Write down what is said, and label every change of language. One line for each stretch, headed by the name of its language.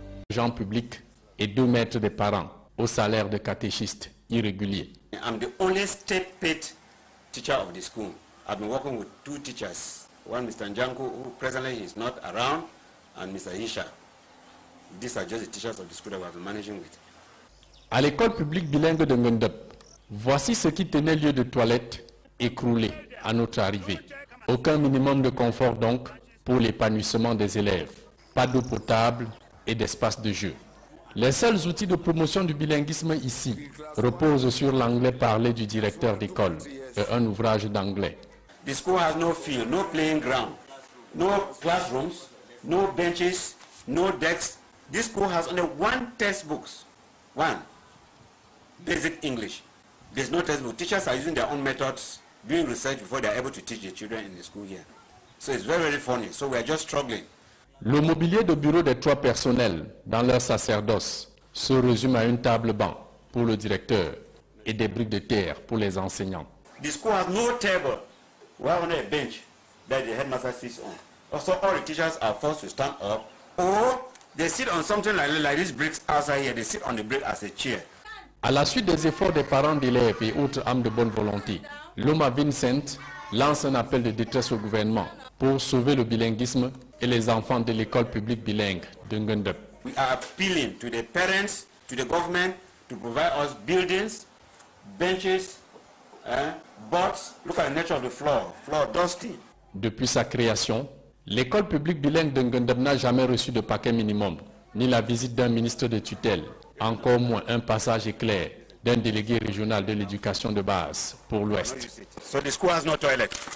French: Gens publics et 2 mètres des parents au salaire de catéchistes irréguliers.
English: I'm the only state paid teacher of the school. I've been working with 2 teachers. One Mr. Njanku, who presently is not around, and Mr. Isha. These are just the teachers of the school that we have been managing with.
French: À l'école publique bilingue de Ngendup, voici ce qui tenait lieu de toilettes écroulées à notre arrivée. Aucun minimum de confort donc pour l'épanouissement des élèves. Pas d'eau potable et d'espace de jeu. Les seuls outils de promotion du bilinguisme ici reposent sur l'anglais parlé du directeur d'école et un ouvrage d'anglais.
English: The school has no field, no playing ground, no classrooms, no benches, no desks. This school has only one textbook, one basic English. There's no textbook. Teachers are using their own methods, doing research before they're able to teach the children in the school here. So it's very, very funny. So we are just struggling.
French: Le mobilier de bureau des 3 personnels dans leur sacerdoce se résume à une table-banc pour le directeur et des briques de terre pour les enseignants.
English: The school has no table. We have only a bench that the headmaster sits on. Also, all the teachers are forced to stand up or they sit on something like these bricks outside here. They sit on the brick as a chair.
French: À la suite des efforts des parents d'élèves et autres âmes de bonne volonté, Loma Vincent lance un appel de détresse au gouvernement pour sauver le bilinguisme et les enfants de l'école publique bilingue de Ngendup.
English: We are appealing to the parents, to the government, to provide us buildings, benches, boards. Look at the nature of the floor, floor dusty.
French: Depuis sa création, l'école publique bilingue de Ngendup n'a jamais reçu de paquet minimum, ni la visite d'un ministre de tutelle, encore moins un passage éclair d'un délégué régional de l'éducation de base pour l'Ouest.
English: So the school has no toilet.